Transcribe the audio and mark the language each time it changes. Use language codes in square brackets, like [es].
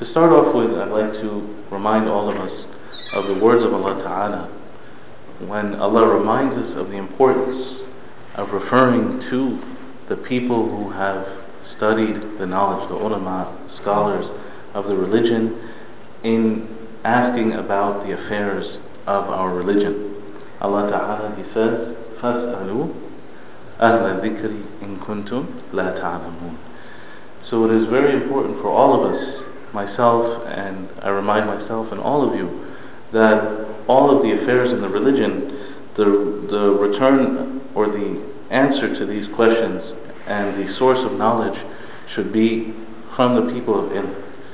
[en] To start off with, I'd like to remind all of us of the words of Allah Ta'ala, when Allah reminds us of the importance of referring to the people who have studied the knowledge, the ulama, scholars of the religion, in asking about the affairs of our religion. Allah Ta'ala, He says, [ar] فَاسْأَلُوا أَهْلَ ذِكْرِ إِن كُنْتُمْ لَا تَعْلَمُونَ. [en] So it is very important for all of us, myself, and I remind myself and all of you, that all of the affairs in the religion, the return or the answer to these questions and the source of knowledge should be from the people of ilm.